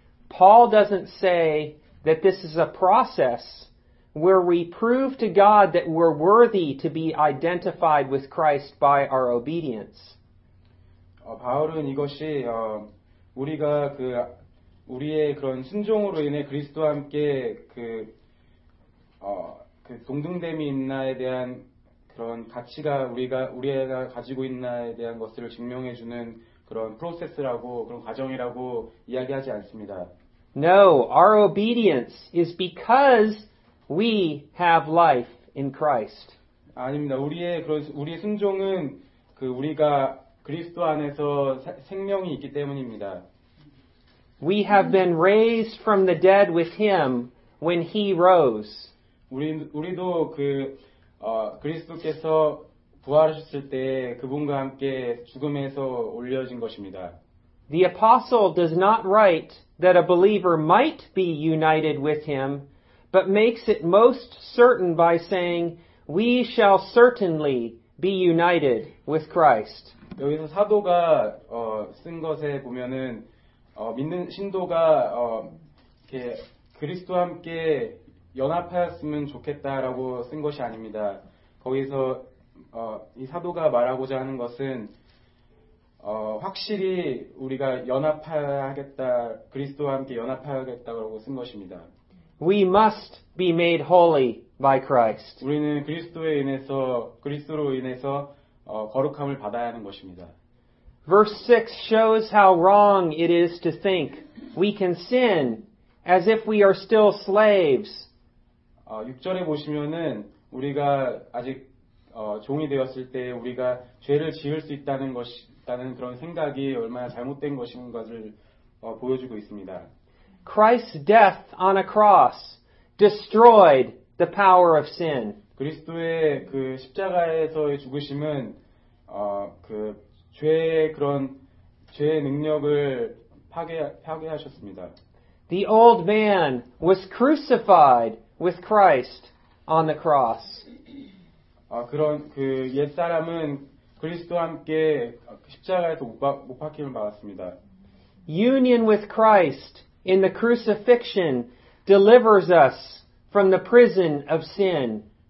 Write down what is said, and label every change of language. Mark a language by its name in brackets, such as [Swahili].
[English] Paul doesn't say that this is a process where we prove to God that we're worthy to be identified with Christ by our obedience. [Korean] 바울은 이것이 우리가 그 우리의 그런 순종으로 인해 그리스도와 함께 그 그 동등됨이 있나에 대한 그런 가치가 우리가 가지고 있나에 대한 것을 증명해 주는 그런 프로세스라고 그런 과정이라고 이야기하지 않습니다. [English] No, our obedience is because we have life in Christ. [Korean] 아닙니다. 우리의 순종은 그 우리가 그리스도 안에서 생명이 있기 때문입니다. [English] We have been raised from the dead with him when he rose. [Korean] 우리도 그리스도께서 부활하셨을 때 그분과 함께 죽음에서 올려진 것입니다. [English] The apostle does not write that a believer might be united with him, but makes it most certain by saying, "We shall certainly be united with Christ." [Korean] 여기서 사도가 쓴 것에 보면은 믿는 신도가 이렇게 그리스도와 함께 연합하였으면 좋겠다라고 쓴 것이 아닙니다. 거기서 이 사도가 말하고자 하는 것은 확실히 우리가 연합하겠다, 그리스도와 함께 연합하겠다라고 쓴 것입니다. [English] We must be made holy by Christ. [Korean] 우리는 그리스도로 인해서 거룩함을 받아야 하는 것입니다. [English] Verse 6 shows how wrong it is to think we can sin as if we are still slaves. [Korean] 6절에 보시면은 우리가 아직 종이 되었을 때 우리가 죄를 지을 수 있다는 그런 생각이 얼마나 잘못된 것인 것을 보여주고 있습니다. [English] Christ's death on a cross destroyed the power of sin. [Korean] 그리스도의 그 십자가에서의 죽으심은 그 죄의 그런 죄의 능력을 파괴하셨습니다. [English] The old man was crucified with Christ on the cross. [Korean] 그런 그 옛 사람은 그리스도와 함께 십자가에서 못 박힘을 받았습니다. [English] Union with Christ in the crucifixion delivers us from the prison of sin.